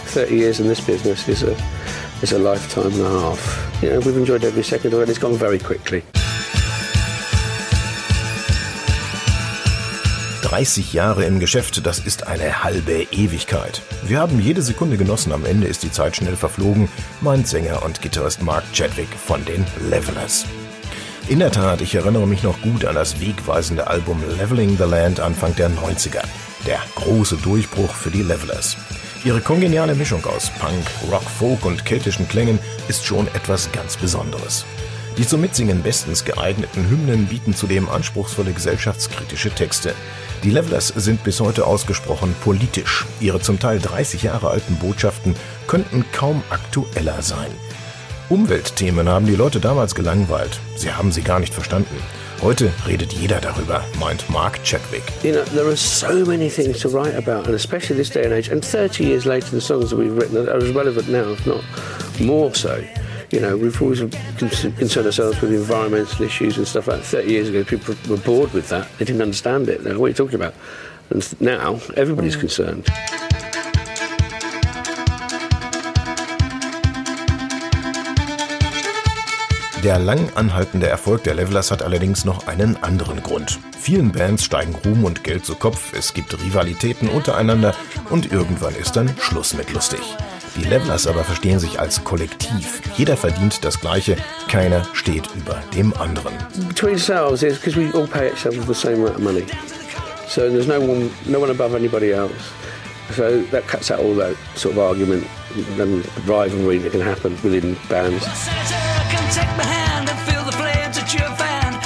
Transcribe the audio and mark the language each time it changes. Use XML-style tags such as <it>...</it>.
<en>Years in this business is a lifetime and a half. You know, we've enjoyed every second of it, and it's gone very quickly.</en> <de>30 Jahre im Geschäft, das ist eine halbe Ewigkeit. Wir haben jede Sekunde genossen, am Ende ist die Zeit schnell verflogen, meint Sänger und Gitarrist Mark Chadwick von den Levelers. In der Tat, ich erinnere mich noch gut an das wegweisende Album Leveling the Land Anfang der 90er. Der große Durchbruch für die Levelers. Ihre kongeniale Mischung aus Punk, Rock, Folk und keltischen Klängen ist schon etwas ganz Besonderes. Die zum Mitsingen bestens geeigneten Hymnen bieten zudem anspruchsvolle gesellschaftskritische Texte. Die Levelers sind bis heute ausgesprochen politisch. Ihre zum Teil 30 Jahre alten Botschaften könnten kaum aktueller sein. Umweltthemen haben die Leute damals gelangweilt. Sie haben sie gar nicht verstanden. Heute redet jeder darüber, meint Mark Chadwick.</de> <en>You know, there are so many things to write about, and especially this day and age, and 30 years later, the songs that we've written are as relevant now, if not more so. You know, we've always concerned ourselves with environmental issues and stuff like that. 30 years ago, people were bored with that. They didn't understand it. What are you talking about? And now, everybody's concerned.</en> <de>Der lang anhaltende Erfolg der Levelers hat allerdings noch einen anderen Grund. Vielen Bands steigen Ruhm und Geld zu Kopf, es gibt Rivalitäten untereinander und irgendwann ist dann Schluss mit lustig. Die Levelers aber verstehen sich als Kollektiv. Jeder verdient das Gleiche, keiner steht über dem anderen.</de> <en>Between ourselves is because we all pay each other the same amount of money. So there's no one above anybody else. So that cuts out all that sort of argument and rivalry that can happen within bands. Take my hand and feel the flames at your fan.</en>